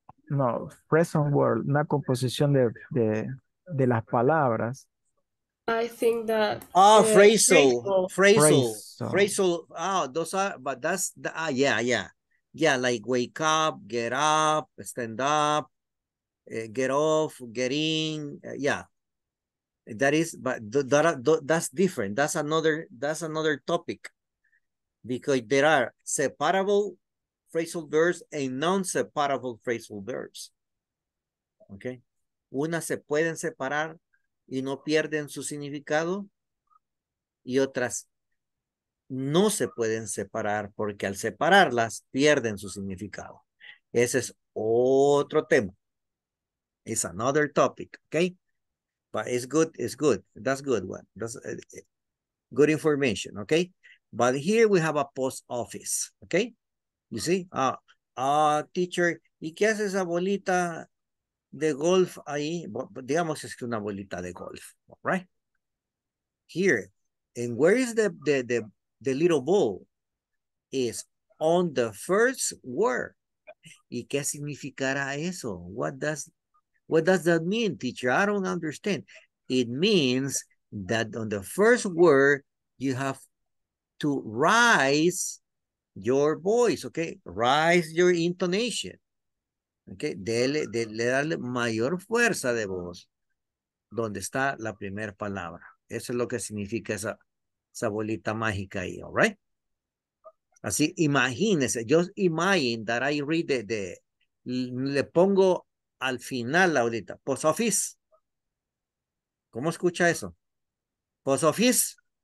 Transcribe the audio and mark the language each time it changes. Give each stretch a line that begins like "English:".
Spanish: No, Fredson word, una composición de las palabras.
English: I think that. Oh, phrasal. Phrasal. Phrasal. Oh, those are, but that's, the, yeah, yeah. Yeah, like wake up, get up, stand up, get off, get in. Yeah. That is, but that's different. That's another topic. Because there are separable phrasal verbs and non-separable phrasal verbs. Okay?
Spanish: Unas se pueden separar y no pierden su significado. Y otras no se pueden separar porque al separarlas pierden su significado. Ese es otro tema.
English: It's another topic. Okay? But it's good. It's good. That's good one. That's good information. Okay? But here we have a post office, okay? You see?
Spanish: Teacher, ¿y qué hace esa bolita de golf ahí? Digamos es que una bolita de golf,
English: right? Here, and where is the little ball? Is on the first word.
Spanish: ¿Y qué significará eso?
English: What does that mean, teacher? I don't understand. It means that on the first word, you have to raise your voice, okay? Raise your intonation, okay?
Spanish: Dele darle mayor fuerza de voz donde está la primera palabra. Eso es lo que significa esa bolita mágica ahí,
English: all right?
Spanish: Así, imagínese,
English: just imagine that I read the
Spanish: le pongo al final la bolita, post office. ¿Cómo escucha eso? Post office.